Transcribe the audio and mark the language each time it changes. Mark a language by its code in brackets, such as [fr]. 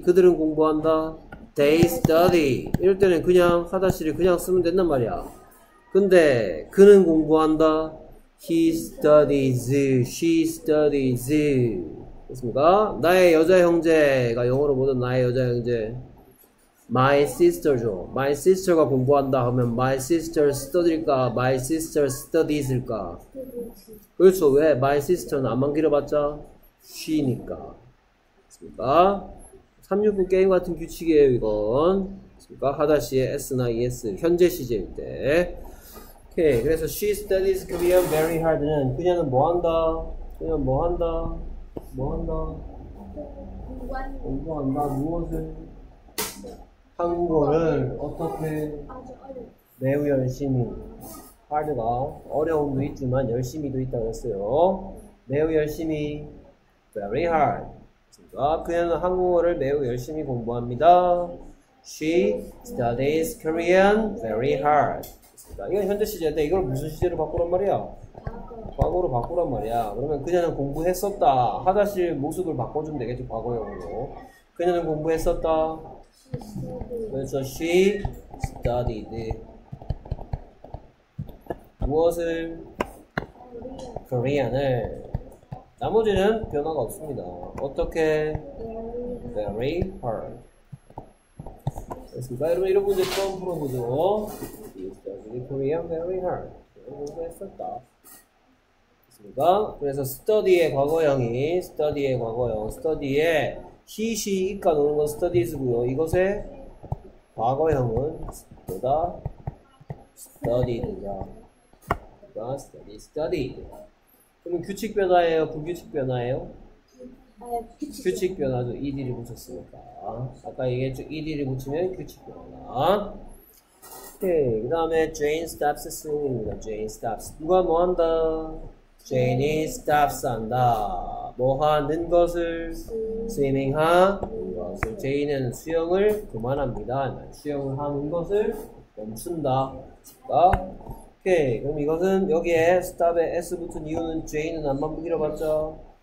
[ko] 그들은 공부한다. [en] They study. [ko] 이럴 때는 그냥 하다시를 그냥 쓰면 된단 말이야. 근데 그는 공부한다. [en] He studies, she studies. [ko] 됐습니까? 나의 여자 형제가 영어로 뭐든 나의 여자 형제. [en] My sister죠. [ko] My sister가 공부한다 하면 [en] my sister studies [ko] 일까? [en] My sister studies일까? [ko] 그렇죠. 왜? My sister는 안만 길어봤자 she니까. 됐습니까? 369 게임 같은 규칙이에요, 이건. 됐습니까? 하다시에 s나 es, 현재 시제일 때. 오케이. 그래서 [en] she studies Korean very hard [ko] 는 그녀는 뭐 한다? 그녀는 뭐 한다? 뭐 한다? 공부한다. 무엇을? 한국어를 어떻게? 매우 열심히. hard가 어려움도 있지만 열심히도 있다고 했어요. 매우 열심히. very hard. 아, 그녀는 한국어를 매우 열심히 공부합니다. [en] she studies Korean very hard. [ko] 이건 현재 시제인데 이걸 무슨 시제로 바꾸란 말이야? 과거로 바꾸란 말이야. 그러면 그녀는 공부했었다. 하다시 모습을 바꿔주면 되겠지, 과거형으로. 그녀는 공부했었다. [en] 그래서 she studied. [ko] 무엇을? Korean을. 나머지는 변화가 없습니다. 어떻게? Very hard. 됐습니다. 여러분 이런 문제 처음 풀어보죠. [en] Korean very hard. 공부했었다. 됐습니까? [ko] 그래서 study의 과거형이 study의 과거형, study의 he, she, it가 노는 건 studies고요. 이것의 과거형은 뭐다? studied입니다. 그러니까 study, studied. 그럼 규칙 변화예요? 불규칙 변화예요? 규칙 변화죠. ED를 붙였으니까. 아까 얘기했죠. ED를 붙이면 규칙 변화. 오케이. 그 다음에 [en] Jane stops singing. [ko] Jane stops. 누가 뭐 한다? Jane stops 한다. 뭐 하는 것을? Swimming 하는 것을. Jane은 수영을 그만합니다. 수영을 하는 것을 멈춘다. 자, 오케이. 그럼 이것은 여기에 stop에 S 붙은 이유는 Jane은 안만 밀어봤죠?